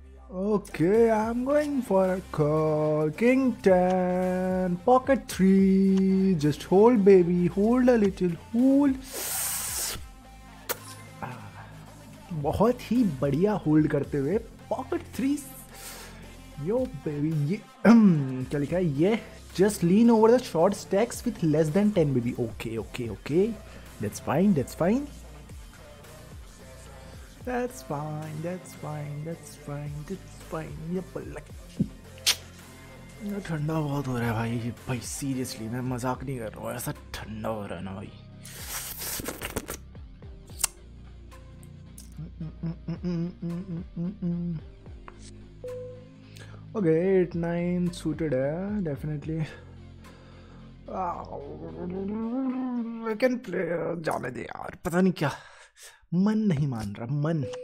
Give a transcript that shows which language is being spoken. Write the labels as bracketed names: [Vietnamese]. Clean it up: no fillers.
[English] Okay I am going for call, king ten pocket three, just hold baby, hold a little hold. [Hindi] बहुत ही बढ़िया hold करते हुए [English] pocket three, yo baby, [Hindi] ये क्या लिखा है, [English] ये just lean over the short stacks with less than 10 baby. Okay okay okay, that's fine that's fine That's fine, that's fine, that's fine, that's fine. [Hindi] ये पल्ला ठंडा बहुत हो रहा है भाई, ये भाई सीरियसली मैं मजाक नहीं कर रहा हूँ, ऐसा ठंडा हो रहा है ना भाई। ओके 8-9 सूटेड है डेफिनेटली, [English] I can play, [Hindi] जाने दे यार, पता नहीं क्या मन नहीं मान रहा मन।